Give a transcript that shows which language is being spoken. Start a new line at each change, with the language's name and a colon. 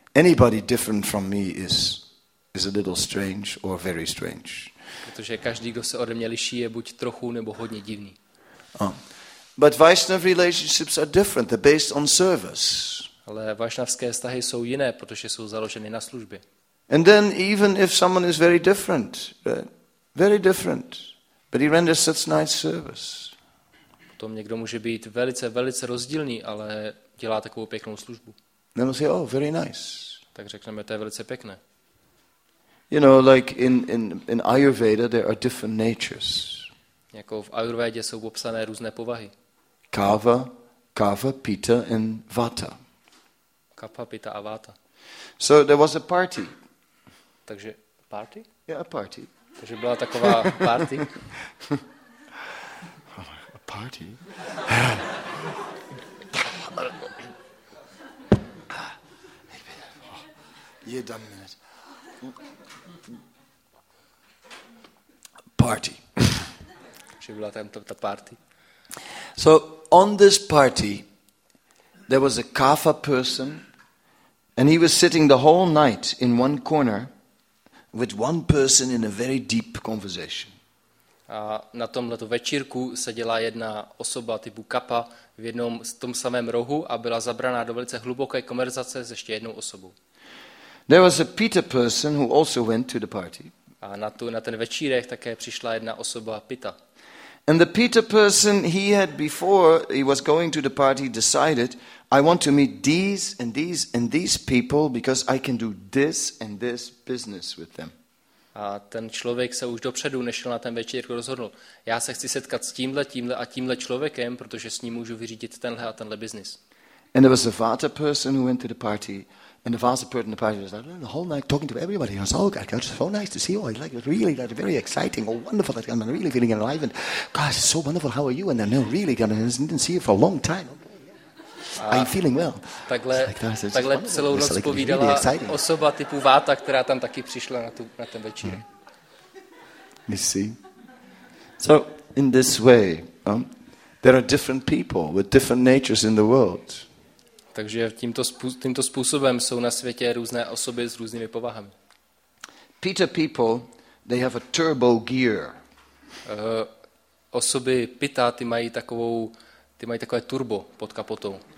English: Anybody different from me is a little strange or very strange.
Czech: Protože každý, kdo se ode mě liší, je buď trochu nebo hodně divný.
English: But Vaishnava relationships are different. They're based on service.
Czech: Ale vaishnavské vztahy jsou jiné, protože jsou založeny na službě.
English: And then even if someone is very different, very different, but he renders such nice service.
Czech: Potom někdo může být velice, velice rozdílný, ale dělá takovou pěknou službu.
English: Then we'll say, oh, very nice.
Czech: Tak řekneme, to je velice pěkné.
English: You know, like in Ayurveda there are different natures.
Czech: Jako v Ayurvédě jsou popsané různé povahy.
English: Kava Kapha, Pitta and Vata.
Czech: Kapha, Pitta a Vata.
English: So there was a party.
Czech: Takže party?
English: Yeah, a party.
Czech: Takže byla taková party.
English: A party. Yeah, damn it. Party.
Czech: Že byla tam ta party.
English: So on this party there was a kapha person and he was sitting the whole night in one corner with one person in a very deep conversation.
Czech: A na tomto večírku seděla jedna osoba typu kapha v jednom v tom samém rohu a byla zabraná do velice hluboké konverzace s ještě jednou osobou.
English: There was a Pitta person who also went to the party.
Czech: A na ten večírek také přišla jedna osoba Pitta.
English: And the Pitta person, he had before he was going to the party decided, I want to meet these and these and these people because I can do this and this business with them.
Czech: A ten člověk se už dopředu nešel na ten večírek rozhodl. Já se chci setkat s tímhle, tímhle a tímhle člověkem, protože s ním můžu vyřídit tenhle a tenhle business.
English: And there was a Vata person who went to the party. And the Vata person in the party was like, the whole night talking to everybody. It was all good. It was so nice to see you. It's like, really, like, very exciting. Oh, wonderful. I'm really feeling enlivened. Gosh, it's so wonderful. How are you? And then, no, really, I didn't see you for a long time. Okay, yeah. I'm feeling well.
Czech: Takhle,
English: like,
Czech: takhle celou noc povídala
English: really
Czech: osoba typu Vata, která tam taky přišla na, tu, na ten večír. Mm-hmm.
English: You see? So, in this way, there are different people with different natures in the world.
Czech: Takže tímto způsobem jsou na světě různé osoby s různými povahami.
English: Pitta people, they have a turbo gear.
Czech: Osoby Pitta, ty mají takové turbo pod kapotou.